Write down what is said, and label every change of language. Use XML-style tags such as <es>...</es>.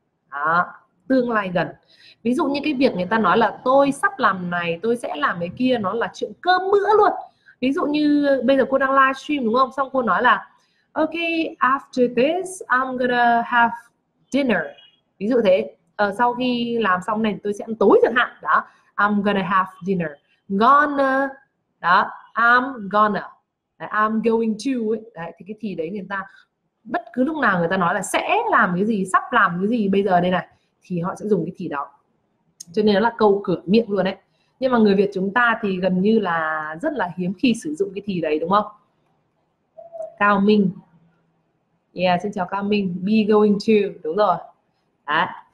<vi>Đó, tương lai gần. Ví dụ như cái việc người ta nói là tôi sắp làm này, tôi sẽ làm cái kia, nó là chuyện cơm bữa luôn. Ví dụ như bây giờ cô đang live stream đúng không? Xong cô nói là</vi> <en>ok, after this I'm gonna have dinner.</en> <vi>Ví dụ thế, sau khi làm xong này tôi sẽ ăn tối chẳng hạn. Đó,</vi> <en>I'm gonna have dinner. Gonna,</en> <vi>đó,</vi> <en>I'm gonna, I'm going to ấy.</en> <vi>Đấy, thì cái thì đấy người ta bất cứ lúc nào người ta nói là sẽ làm cái gì, sắp làm cái gì bây giờ đây này, thì họ sẽ dùng cái thì đó. Cho nên nó là câu cửa miệng luôn đấy. Nhưng mà người Việt chúng ta thì gần như là rất là hiếm khi sử dụng cái thì đấy đúng không? Cao Minh.</vi> <en>Yeah,</en> <vi>xin chào Cao Minh.</vi> <en>Be going to.</en> <vi>Đúng rồi. Đấy.</vi>